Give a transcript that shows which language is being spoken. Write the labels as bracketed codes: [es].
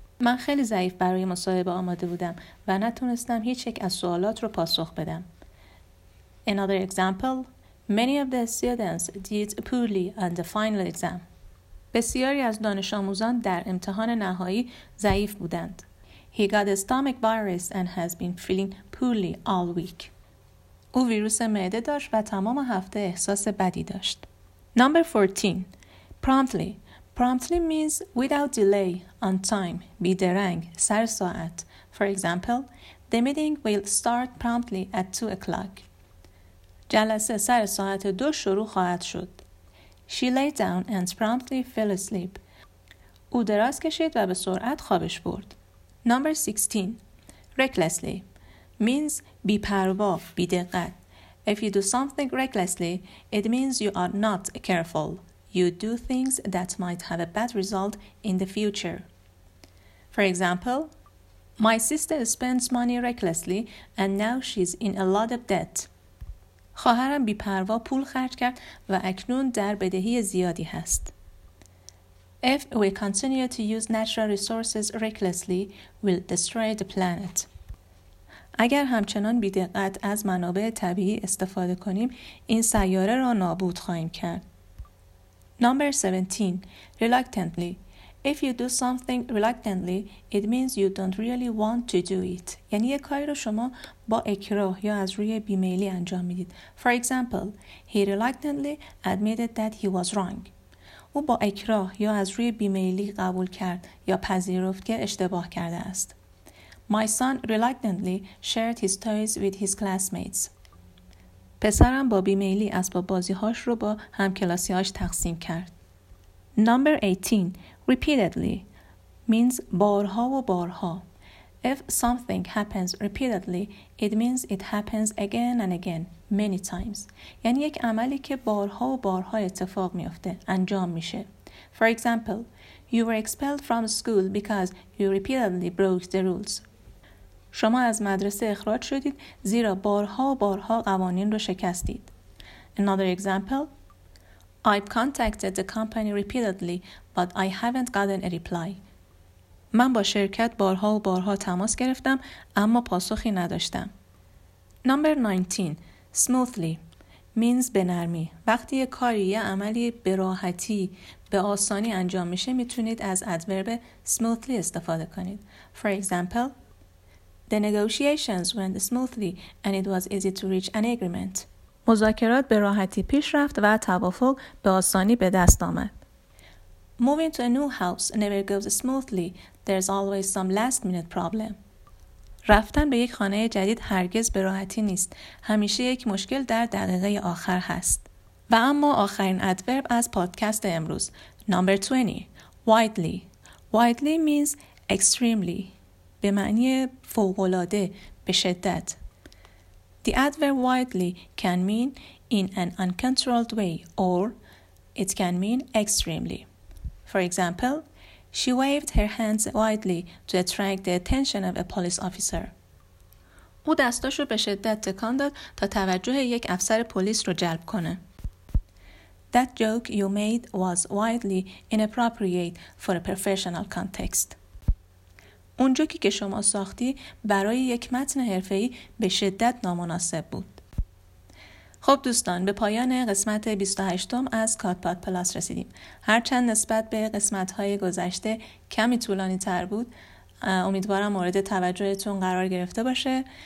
[fa] من خیلی ضعیف برای مصاحبه آماده بودم و نتونستم هیچ یک از سوالات رو پاسخ بدم. [en] Another example, many of the students did poorly on the final exam. [fa] بسیاری از دانش آموزان در امتحان نهایی ضعیف بودند. [en] He got a stomach virus and has been feeling poorly all week. [fa] او ویروس معده داشت و تمام هفته احساس بدی داشت. [en] Number 14. Promptly. Promptly means without delay, on time, [fa] بیدرنگ, سر ساعت. [en] For example, the meeting will start promptly at 2 o'clock. [fa] جلسه سر ساعت 2 شروع خواهد شد. [en] She lay down and promptly fell asleep. [fa] او دراز کشید و به سرعت خوابش برد. [en] Number 16. Recklessly means [fa] بی‌پروا, بی‌دقت. [en] If you do something recklessly, it means you are not careful. You do things that might have a bad result in the future. For example, my sister spends money recklessly and now she's in a lot of debt. [fa] خواهرم بی‌پروا پول خرج کرد و اکنون در بدهی زیادی هست. [en] If we continue to use natural resources recklessly, we'll destroy the planet. [fa] اگر همچنان بی‌دقت از منابع طبیعی استفاده کنیم، این سیاره را نابود خواهیم کرد. [en] Number 17. Reluctantly. If you do something reluctantly, it means you don't really want to do it. [fa] یعنی یک کاری را شما با اکراه یا از روی بیمیلی انجام میدید. [en] For example, he reluctantly admitted that he was wrong. [fa] او با اکراه یا از روی بیمیلی قبول کرد یا پذیرفت که اشتباه کرده است. [en] My son reluctantly shared his toys with his classmates. [fa] پسرم با بیمیلی اسباب بازی‌هاش رو با همکلاسی‌هاش تقسیم کرد. [en] Number 18. Repeatedly means [fa] بارها و بارها. [en] If something happens repeatedly, it means it happens again and again, many times. [fa] یعنی یک عملی که بارها و بارها اتفاق میفته، انجام میشه. [en] For example, you were expelled from school because you repeatedly broke the rules. [fa] شما از مدرسه اخراج شدید زیرا بارها و بارها قوانین رو شکستید. [en] Another example, I've contacted the company repeatedly, but I haven't gotten a reply. [fa] من با شرکت بارها و بارها تماس گرفتم اما پاسخی نداشتم. [en] Number 19. Smoothly means [fa] به نرمی. وقتی یک کاری یا عملی به راحتی به آسانی انجام میشه میتونید از ادورب smoothly استفاده کنید. [en] For example, the negotiations went smoothly and it was easy to reach an agreement. [fa] مذاکرات به راحتی پیش رفت و توافق به آسانی به دست آمد. [en] Moving to a new house never goes smoothly. There's always some last minute problem. [fa] رفتن به یک خانه جدید هرگز به راحتی نیست. همیشه یک مشکل در دقیقه آخر هست. و اما آخرین ادورب از پادکست امروز. [en] Number 20. Widely. Widely means extremely. [fa] به معنی فوق‌العاده، به شدت. [en] The adverb widely can mean in an uncontrolled way or it can mean extremely. For example, she waved her hands widely to attract the attention of a police officer. [fa] او دستاشو به شدت تکان داد تا توجه یک افسر پلیس رو جلب کنه. [en] That joke you made was widely inappropriate for a professional context. [fa] اون جوکی که شما ساختی برای یک متن حرفه‌ای به شدت نامناسب بود. خب دوستان، به پایان قسمت 28 از کاتپاد پلاس رسیدیم. هرچند نسبت به قسمت‌های گذشته کمی طولانی تر بود، امیدوارم مورد توجهتون قرار گرفته باشه.